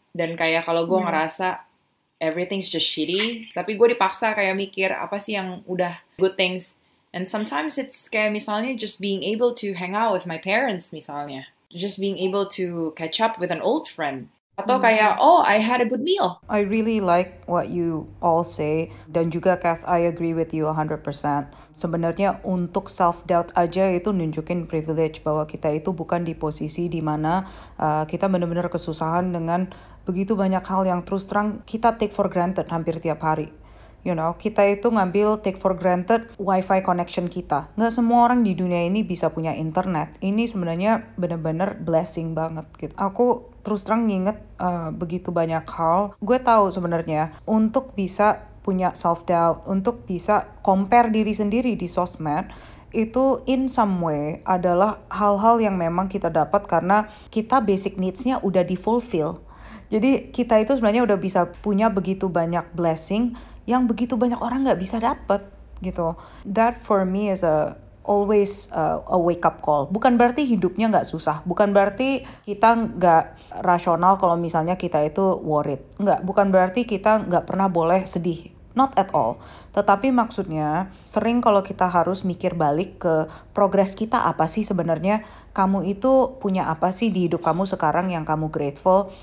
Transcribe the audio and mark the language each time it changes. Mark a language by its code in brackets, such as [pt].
[id] Dan kayak kalau gue ngerasa [en] everything's just shitty, [id] tapi gue dipaksa kayak mikir apa sih yang udah [en] good things. And sometimes it's [id] kayak misalnya [en] just being able to hang out with my parents misalnya, just being able to catch up with an old friend. [id] Atau kayak, [en] oh, I had a good meal. I really like what you all say. [id] Dan juga, [en] Kath, I agree with you 100%. [id] Sebenarnya untuk self-doubt aja itu nunjukin privilege bahwa kita itu bukan di posisi di mana kita benar-benar kesusahan dengan begitu banyak hal yang terus terang kita [en] take for granted [id] hampir tiap hari. [en] You know, [id] kita itu ngambil [en] take for granted wifi connection [id] kita. Nggak semua orang di dunia ini bisa punya internet. Ini sebenarnya benar-benar blessing banget gitu. Aku terus terang nginget begitu banyak hal. Gue tahu sebenarnya untuk bisa punya self-doubt, untuk bisa compare diri sendiri di sosmed, itu [en] in some way [id] adalah hal-hal yang memang kita dapat karena kita [en] basic needs- [id] nya udah di-fulfill. Jadi kita itu sebenarnya udah bisa punya begitu banyak blessing yang begitu banyak orang nggak bisa dapat gitu. [en] That for me is always a wake up call. [id] Bukan berarti hidupnya nggak susah. Bukan berarti kita nggak rasional kalau misalnya kita itu worried. Nggak. Bukan berarti kita nggak pernah boleh sedih. [en] Not at all. [id] Tetapi maksudnya, sering kalau kita harus mikir balik ke progres kita apa sih sebenarnya, kamu itu punya apa sih di hidup kamu sekarang yang kamu grateful?